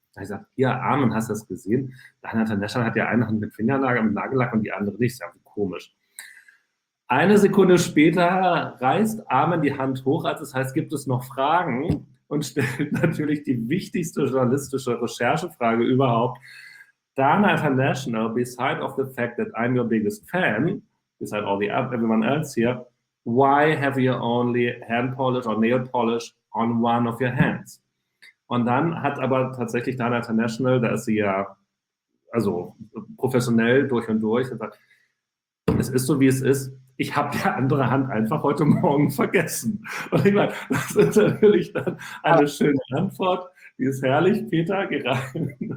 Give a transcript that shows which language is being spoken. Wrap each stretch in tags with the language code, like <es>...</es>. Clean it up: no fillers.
<de>Da habe ich gesagt, hier, Armin, hast du das gesehen? Dana International hat ja eine Hand mit Fingernagel, mit Nagellack und die andere nicht. Das ist ja komisch. Eine Sekunde später reißt Armin die Hand hoch, als es heißt, gibt es noch Fragen? Und stellt natürlich die wichtigste journalistische Recherchefrage überhaupt.</de> <en>Dana International, beside of the fact that I'm your biggest fan, beside all the everyone else here, why have you only hand polish or nail polish on one of your hands?</en> <de>Und dann hat aber tatsächlich Dana International, da ist sie ja also professionell durch und durch, gesagt, es ist so, wie es ist, ich habe die andere Hand einfach heute Morgen vergessen. Und ich meine, das ist natürlich dann eine schöne Antwort, die ist herrlich, Peter, gerade.</de>